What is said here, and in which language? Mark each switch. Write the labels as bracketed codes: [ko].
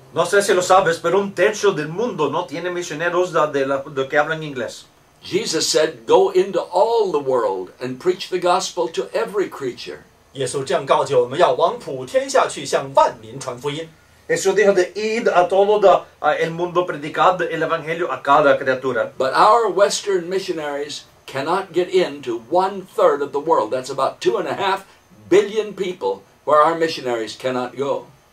[es] No sé si lo sabes, pero un tercio del mundo no tiene misioneros de que hablan inglés. [en] Jesus said, go into all the world and preach the gospel to every creature. [zh] 耶稣这样告诫我们要往普天下去向万民传福音。 [es] Jesús dijo de ir a todo el mundo predicando el evangelio a cada criatura. [en] But our Western missionaries cannot get into 1/3 of the world. That's about 2.5 billion people where our missionaries cannot go.